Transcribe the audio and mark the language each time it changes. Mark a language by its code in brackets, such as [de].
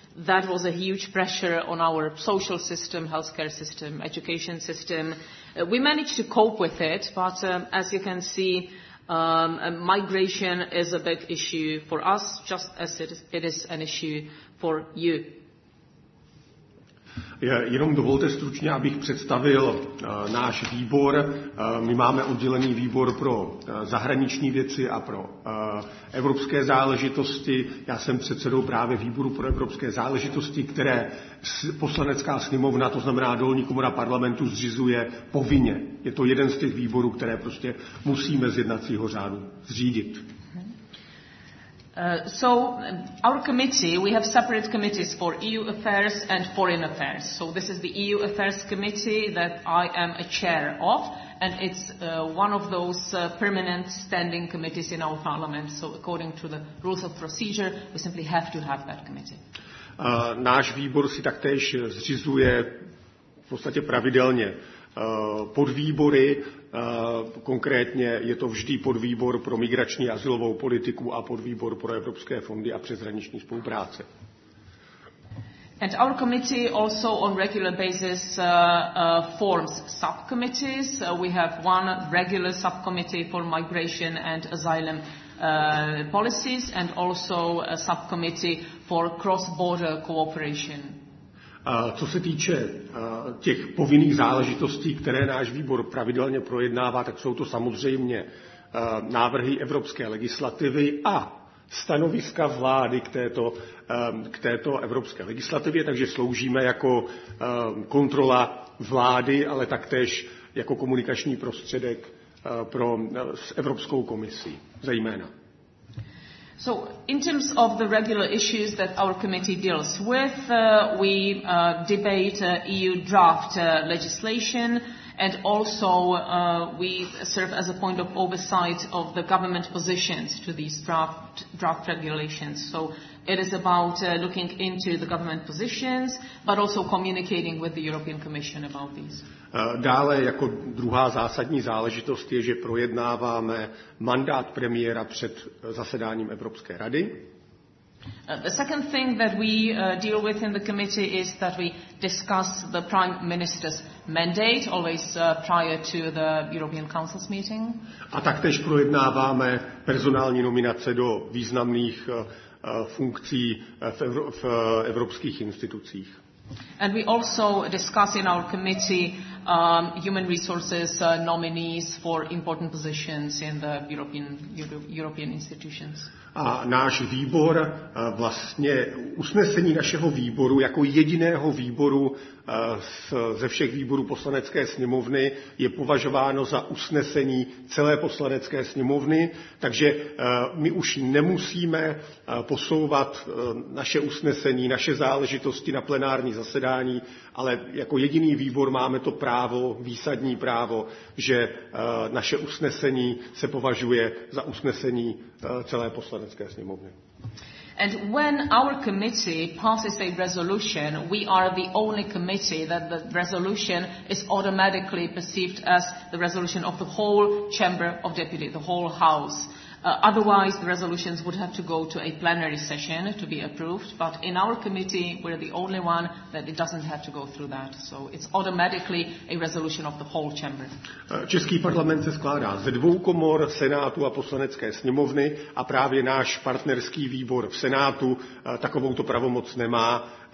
[en] That was a huge pressure on our social system, healthcare system, education system. We managed to cope with it, but as you can see, migration is a big issue for us, just as it is an issue for you. [cs] Jenom dovolte stručně, abych představil náš výbor. My máme oddělený výbor pro zahraniční věci a pro evropské záležitosti. Já jsem předsedou právě výboru pro evropské záležitosti, které poslanecká sněmovna, to znamená dolní komora parlamentu, zřizuje povinně. Je to jeden z těch výborů, které prostě musíme z jednacího řádu zřídit. [en] So our committee, we have separate committees for EU affairs and foreign affairs. So this is the EU affairs committee that I am a chair of, and it's one of those permanent standing committees in our parliament. So according to the rules of procedure, we simply have to have that committee. [cs] Náš výbor si taktéž zřizuje v podstatě pravidelně podvýbory. Konkrétně je to vždy podvýbor pro migrační a azylovou politiku a podvýbor pro evropské fondy a přeshraniční spolupráce. [en] And our committee also on regular basis forms subcommittees. We have one regular subcommittee for migration and asylum policies, and also a subcommittee for cross-border cooperation. [cs] Co se týče těch povinných záležitostí, které náš výbor pravidelně projednává, tak jsou to samozřejmě návrhy evropské legislativy a stanoviska vlády k této evropské legislativě, takže sloužíme jako kontrola vlády, ale taktéž jako komunikační prostředek s Evropskou komisí zejména. [en] So in terms of the regular issues that our committee deals with, we debate EU draft legislation, and also we serve as a point of oversight of the government positions to these draft regulations. So it is about looking into the government positions, but also communicating with the European Commission about these. [cs] Dále jako druhá zásadní záležitost je, že projednáváme mandát premiéra před zasedáním Evropské rady. [en] The second thing that we deal with in the committee is that we discuss the Prime Minister's mandate always prior to the European Council's meeting. [cs] A taktéž projednáváme personální nominace do významných funkcí v evropských institucích. [en] And we also discuss in our committee human resources nominees for important positions in the European institutions. [cs] A náš výbor, vlastně usnesení našeho výboru jako jediného výboru ze všech výborů Poslanecké sněmovny je považováno za usnesení celé Poslanecké sněmovny, takže my už nemusíme posouvat naše usnesení, naše záležitosti na plenární zasedání, ale jako jediný výbor máme to právo, výsadní právo, že naše usnesení se považuje za usnesení celé Poslanecké sněmovny. [en] And when our committee passes a resolution, we are the only committee that the resolution is automatically perceived as the resolution of the whole Chamber of Deputies, the whole House. Otherwise, the resolutions would have to go to a plenary session to be approved. But in our committee, we're the only one that it doesn't have to go through that. So it's automatically a resolution of the whole chamber. [cs] Český parlament se skládá ze dvou komor, Senátu a Poslanecké sněmovny, a právě náš partnerský výbor v Senátu takovou to pravomoc nemá.